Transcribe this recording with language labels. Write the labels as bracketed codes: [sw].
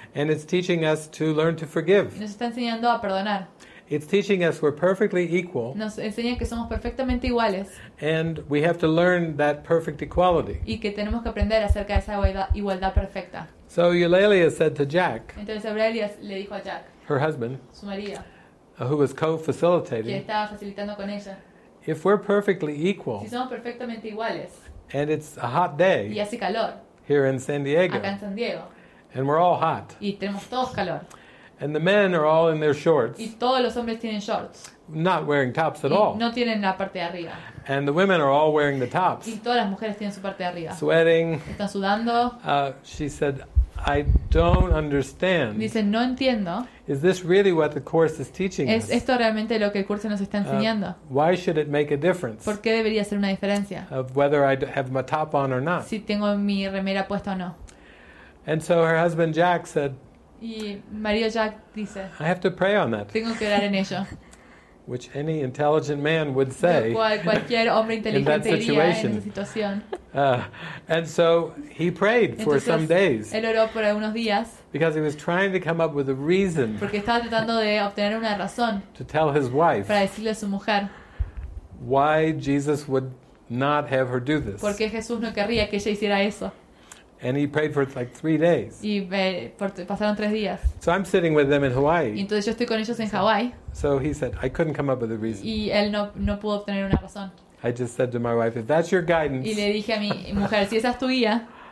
[en] And it's teaching us to learn to forgive. [es] Nos está enseñando a perdonar. [en] It's teaching us we're perfectly equal. [es] Nos enseña que somos perfectamente iguales. [en] And we have to learn that perfect equality. [es] Y que tenemos que aprender acerca de esa igualdad perfecta. [en] So Eulalia said to Jack. [es] Entonces Eulalia le dijo a Jack. [en] Her husband. [es] Su marido. [en] Who was co-facilitating. [es] Que estaba facilitando con ella. [en] If we're perfectly equal. [es] Si somos perfectamente iguales. [en] And it's a hot day. [es] Y hace calor. [en] Here in San Diego. [es] Acá en San Diego. [en] And we're all hot. [es] Y tenemos todos calor. [en] And the men are all in their shorts. [es] Y todos los hombres tienen shorts. [en] Not wearing tops at [es] y [en] all. [es] No tienen la parte de arriba. [en] And the women are all wearing the tops. [es] Y todas las mujeres tienen su parte de arriba. [en] Sweating. [es] Están sudando. [en] She said, "I don't understand." [es] Dice, "No entiendo." [en] Is this really what the course is teaching us? [es] ¿Esto realmente lo que el curso nos está enseñando? [en] Why should it make a difference? [es] ¿Por qué debería hacer una diferencia? [en] Of whether I have my top on or not. [es] Si tengo mi remera puesta o no. [en] And so her husband Jack said, [es] y marido Jack dice, [en] "I have to pray on that." [es] Tengo que orar en ello. [en] which any intelligent man would say [es] cualquier hombre inteligente [en] in that situation. [es] Diría en esa situación. [en] And so he prayed for [es] Entonces, [en] some days. [es] Él oró por algunos días [en] because he was trying to come up with a reason [es] porque estaba tratando de obtener una razón [en] to tell his wife [es] para decirle a su mujer [en] why Jesus would not have her do this. [es] Porque Jesús no querría que ella hiciera eso. [en] And he prayed for like 3 days. [es] Y pasaron 3 días. [en] So I'm sitting with them in Hawaii. [es] Y entonces yo estoy con ellos en Hawaii. [en] So he said, I couldn't come up with a reason. [es] Y él no pudo obtener una razón. [en] I just said to my wife, if that's your guidance. [es] Y le dije a mi mujer, si esa es tu guía.